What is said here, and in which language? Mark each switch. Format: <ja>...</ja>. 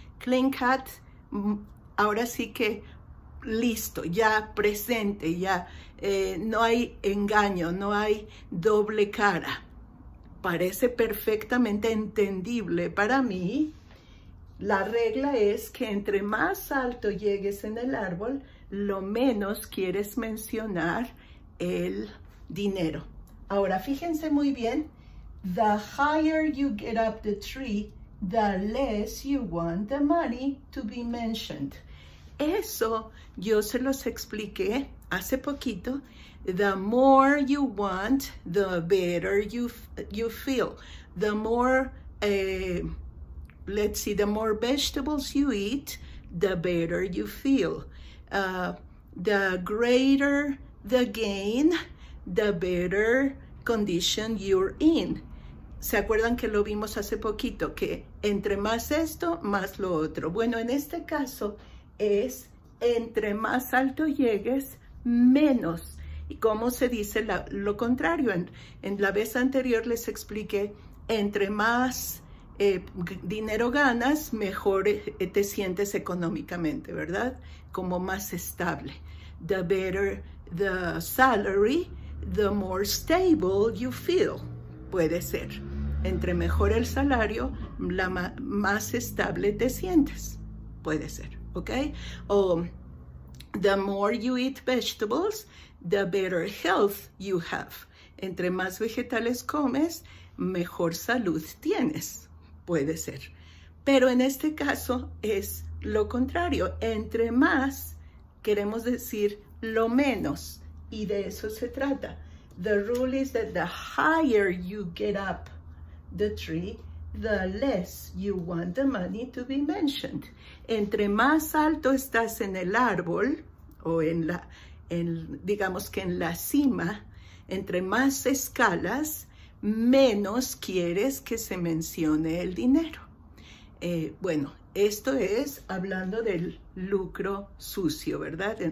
<en>Clean cut,</en> <es>ahora sí que listo, ya presente, ya no hay engaño, no hay doble cara. Parece perfectamente entendible para mí. La regla es que entre más alto llegues en el árbol, lo menos quieres mencionar el dinero. Ahora, fíjense muy bien.</es> <en>The higher you get up the tree, the less you want the money to be mentioned.</en> <es>Eso yo se los expliqué hace poquito.</es> <en>The more you want, the better you feel. The more, let's see, the more vegetables you eat, the better you feel. The greater the gain, the better condition you're in.</en> <es>¿Se acuerdan que lo vimos hace poquito? Que entre más esto, más lo otro. Bueno, en este caso es entre más alto llegues, menos. ¿Y cómo se dice lo contrario? En la vez anterior les expliqué, entre más dinero ganas, mejor te sientes económicamente, ¿verdad? Como más estable.</es> <en>The better the salary, the more stable you feel.</en> <es>Puede ser. Entre mejor el salario, la más estable te sientes. Puede ser, ¿ok?</es> <en>O the more you eat vegetables, the better health you have.</en> <es>Entre más vegetales comes, mejor salud tienes. Puede ser. Pero en este caso es lo contrario. Entre más, queremos decir lo menos. Y de eso se trata.</es> <en>The rule is that the higher you get up the tree, the less you want the money to be mentioned.</en> <es>Entre más alto estás en el árbol, o en la, en, digamos que en la cima, entre más escalas, menos quieres que se mencione el dinero. Bueno, esto es hablando del lucro sucio, ¿verdad?</es>